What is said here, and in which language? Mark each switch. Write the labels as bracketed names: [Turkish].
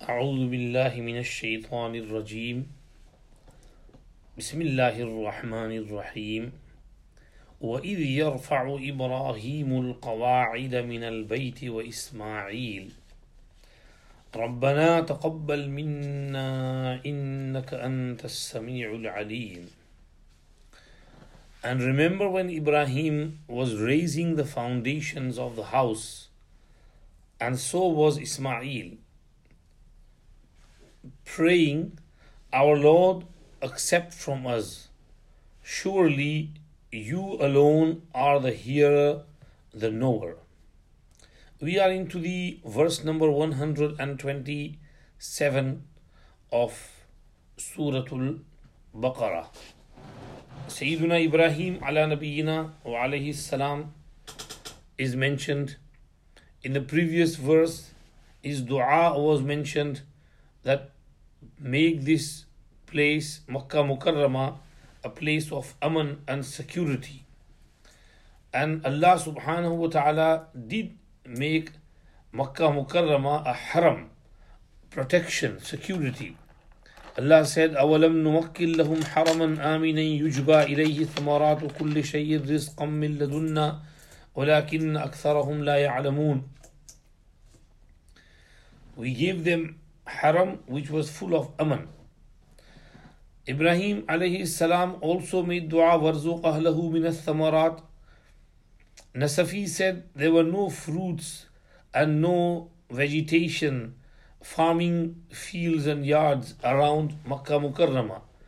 [Arabic] أعوذ بالله من الشيطان الرجيم. بسم الله الرحمن الرحيم. وإذ يرفع إبراهيم القواعد من البيت وإسماعيل ربنا تقبل منا إنك أنت السميع العليم. [English] And remember when Ibrahim was raising the foundations of the house, and so was Ismail, praying, "Our Lord, accept from us. Surely you alone are the hearer, the knower." We are into the verse number 127 of Suratul Baqarah. Sayyiduna Ibrahim ala Nabiyyina wa alayhi salam is mentioned. In the previous verse, his dua was mentioned that make this place, Makkah Mukarrama, a place of aman and security. And Allah subhanahu wa ta'ala did make Makkah Mukarrama a haram, protection, security. Allah said, [Arabic] أَوَلَمْ نُمَكِّنْ لَهُمْ حَرَمًا آمِنًا يُجْبَى إِلَيْهِ ثَمَرَاتُ كُلِّ شَيْءٍ رِزْقًا مِّن لَّدُنَّا وَلَكِنَّ أَكْثَرَهُمْ لَا يَعْلَمُونَ. [English] We gave them haram which was full of aman. Ibrahim alayhi salam also made dua, [Arabic] وَرْزُقْ أَهْلَهُ مِنَ الثَّمَرَاتِ. [English] Nasafi said, there were no fruits and no vegetation, farming fields and yards around Makkah Mukarrama.